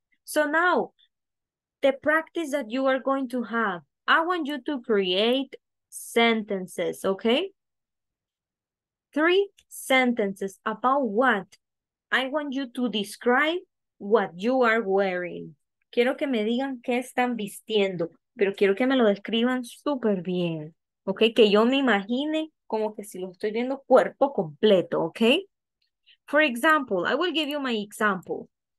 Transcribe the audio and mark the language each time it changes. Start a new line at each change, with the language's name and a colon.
English: So now, the practice that you are going to have, I want you to create sentences, okay? Three sentences about what? I want you to describe what you are wearing.
Spanish: Quiero que me digan qué están vistiendo, pero quiero que me lo describan súper bien. Ok, que yo me imagine como que si lo estoy viendo cuerpo completo, ok?
English: For example, I will give you my example.